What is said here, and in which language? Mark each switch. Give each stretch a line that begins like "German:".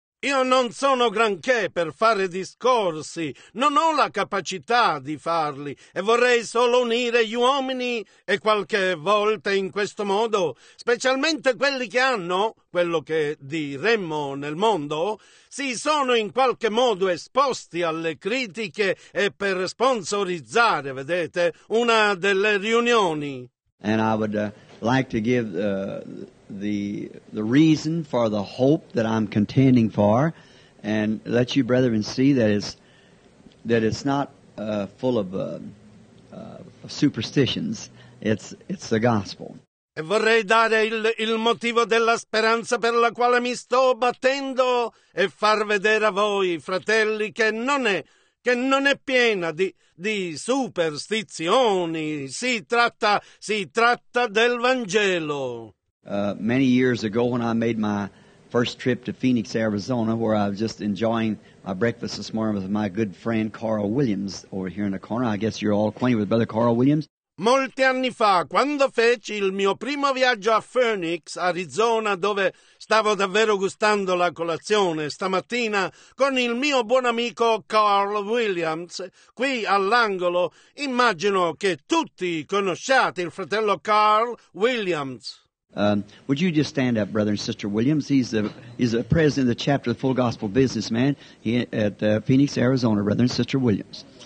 Italian: Io non sono granché per fare discorsi, non ho la capacità di farli e vorrei solo unire gli uomini e qualche volta in questo modo, specialmente quelli che hanno, quello che diremmo nel mondo, si sono in qualche modo esposti alle critiche e per sponsorizzare, vedete, una delle riunioni.
English: And I would like to give the reason for the hope that I'm contending for, and let you brethren see that it's not full of superstitions. It's the gospel.
Italian: E vorrei dare il motivo della speranza per la quale mi sto battendo e far vedere a voi, fratelli, che non è piena di superstizioni. Si tratta del Vangelo.
English: Many years ago, when I made my first trip to Phoenix, Arizona, where I was just enjoying my breakfast this morning with my good friend Carl Williams over here in the corner. I guess you're all acquainted with Brother Carl Williams.
Italian: Molti anni fa, quando feci il mio primo viaggio a Phoenix, Arizona, dove stavo davvero gustando la colazione stamattina con il mio buon amico Carl Williams, qui all'angolo, immagino che tutti conosciate il fratello Carl Williams.
English: Would you just stand up, brother and sister Williams? He's the president of the chapter of the Full Gospel Businessman at Phoenix, Arizona, brother and sister Williams.